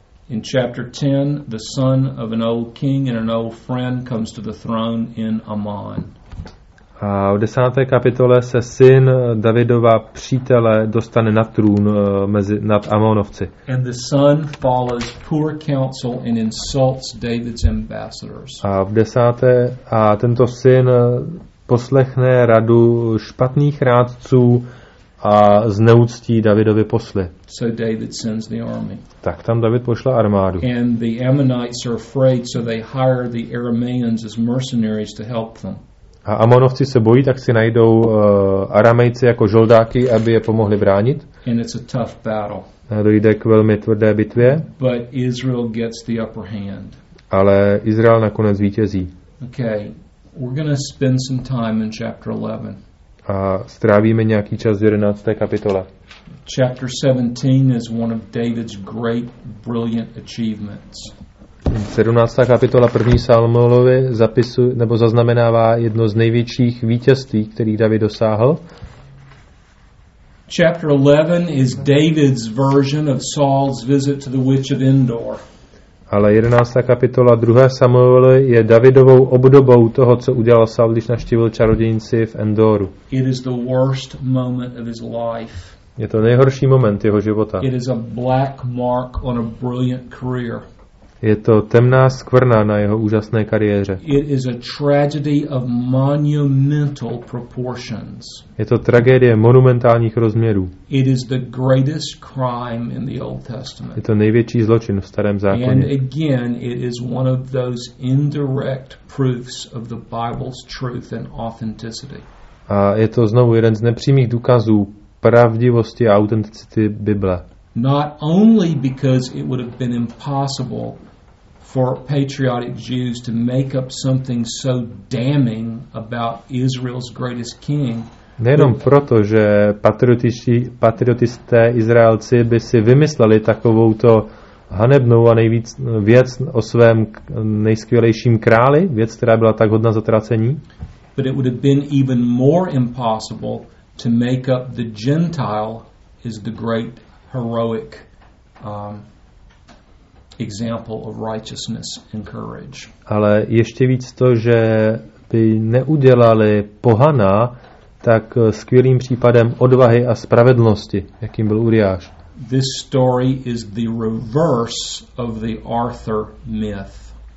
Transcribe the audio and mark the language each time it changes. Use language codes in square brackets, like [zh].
[en] In chapter 10, the son of an old king and an old friend comes to the throne in Ammon. [cs] A v 10. kapitole se syn Davidova přítele dostane na trůn nad Amonovci. [en] And the son follows poor counsel and insults David's ambassadors. [cs] A tento syn poslechne radu špatných rádců a zneúctí Davidovi posly. [en] So David sends the army. [cs] Tak tam David pošle armádu. [en] And the Ammonites are afraid, so they hire the Arameans as mercenaries to help them. [cs] A Amonovci se bojí, tak si najdou Aramejci jako žoldáky, aby je pomohli bránit. [en] And it's a tough battle. [cs] A dojde k velmi tvrdé bitvě. [en] But Israel gets the upper hand. [cs] Ale Izrael nakonec vítězí. [en] Okay, we're gonna spend some time in chapter 11. [cs] A strávíme nějaký čas v 11. kapitole. [en] Chapter 17 is one of David's great brilliant achievements. [cs] 17. kapitola 1. Salmolovi zaznamenává jedno z největších vítězství, který David dosáhl. [en] Chapter 11 is David's version of Saul's visit to the witch of Endor. [cs] Ale 11. kapitola 2. Samuel je Davidovou obdobou toho, co udělal Saul, když navštívil čarodějnici v Endoru. [en] It is the worst moment of his life. [cs] Je to nejhorší moment jeho života. [en] It is a black mark on a brilliant career. [cs] Je to temná skvrna na jeho úžasné kariéře. [en] It is a tragedy of monumental proportions. [cs] Je to tragédie monumentálních rozměrů. [en] It is the greatest crime in the Old Testament. [cs] Je to největší zločin v Starém zákoně. [en] And again, it is one of those indirect proofs of the Bible's truth and authenticity. [cs] A je to znovu jeden z nepřímých důkazů pravdivosti a autenticity Bible. [en] Not only because it would have been impossible for patriotic Jews to make up something so damning about Israel's greatest king. [cs] Nejenom proto, že patriotisté Izraelci by si vymysleli takovou to hanebnou a nejvíc věc o svém nejskvělejším králi, věc, která byla tak hodna zatracení. [en] But it would have been even more impossible to make up the Gentile is the great heroic example of righteousness and courage. [cs] Ale ještě víc to, že by neudělali pohana tak skvělým případem odvahy a spravedlnosti, jakým byl Uriáš. [en] This story is the reverse of the Arthur myth.